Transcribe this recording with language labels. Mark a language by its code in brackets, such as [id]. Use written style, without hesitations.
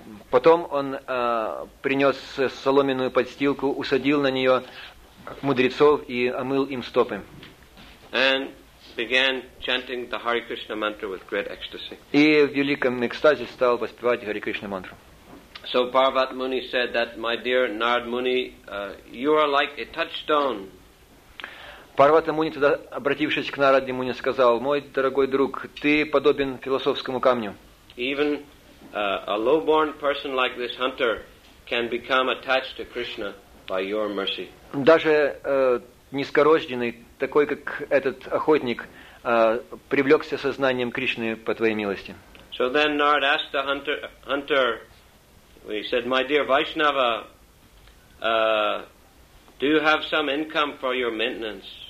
[ru] Потом он принес соломенную подстилку, усадил на нее мудрецов и омыл им стопы. [en] And began chanting the Hare Krishna mantra with great ecstasy. [ru] И в великом экстазе стал воспевать Hare Krishna мантру. [en] So Parvat Muni said that, my dear Narad Muni, you are like a touchstone. [ru] Парвата Муни тогда, обратившись к Нараде Муни, сказал, мой дорогой друг, ты подобен философскому камню. [en] Even a low-born person like this hunter can become attached to Krishna by your mercy. [ru] Даже низкорожденный, такой, как этот охотник, привлекся сознанием Кришны по твоей милости. [en] So then Narada asked the hunter, he said, my dear Vaishnava, do you have some income for your maintenance?